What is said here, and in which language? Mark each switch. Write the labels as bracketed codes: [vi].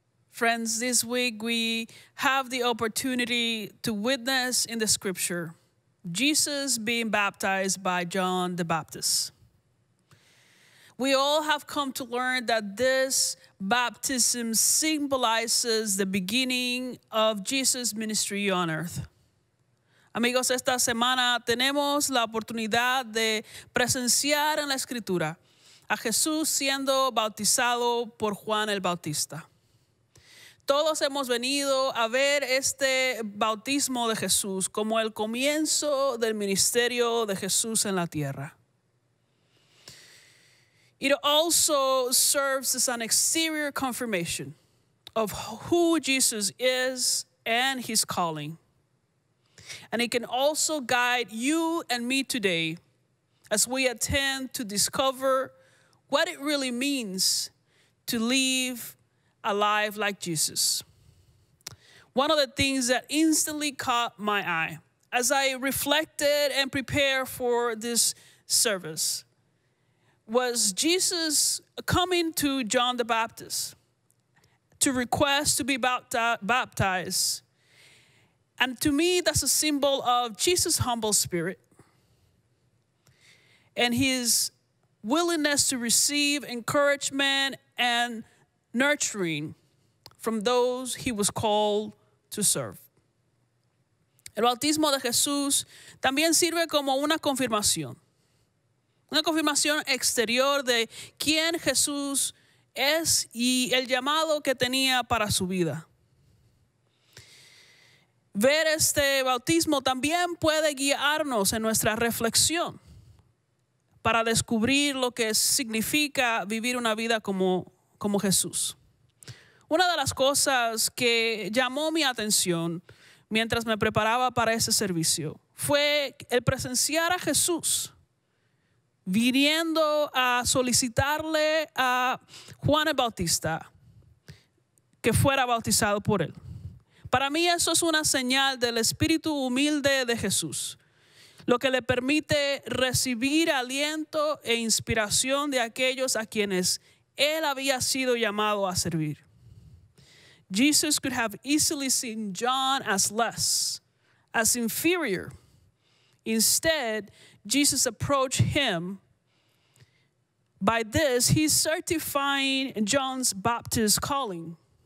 [en] Friends, this week we have the opportunity to witness in the scripture Jesus being baptized by John the Baptist. We all have come to learn that this baptism symbolizes the beginning of Jesus' ministry on earth. [es] Amigos, esta semana tenemos la oportunidad de presenciar en la escritura a Jesús siendo bautizado por Juan el Bautista. Todos hemos venido a ver este bautismo de Jesús como el comienzo del ministerio de Jesús en la tierra. [en] It also serves as an exterior confirmation of who Jesus is and his calling. And it can also guide you and me today as we attempt to discover what it really means to live alive like Jesus. One of the things that instantly caught my eye as I reflected and prepared for this service was Jesus coming to John the Baptist to request to be baptized. And to me, that's a symbol of Jesus' humble spirit and his willingness to receive encouragement and nurturing from those he was called to serve. [es] El bautismo de Jesús también sirve como una confirmación exterior de quién Jesús es y el llamado que tenía para su vida. Ver este bautismo también puede guiarnos en nuestra reflexión para descubrir lo que significa vivir una vida como Jesús. Una de las cosas que llamó mi atención mientras me preparaba para ese servicio fue el presenciar a Jesús viniendo a solicitarle a Juan el Bautista que fuera bautizado por él. Para mí eso es una señal del espíritu humilde de Jesús, lo que le permite recibir aliento e inspiración de aquellos a quienes él había sido llamado a servir. [en] Jesus could have easily seen John as less, as inferior. Instead, Jesus approached him. By this, he's certifying John's Baptist calling.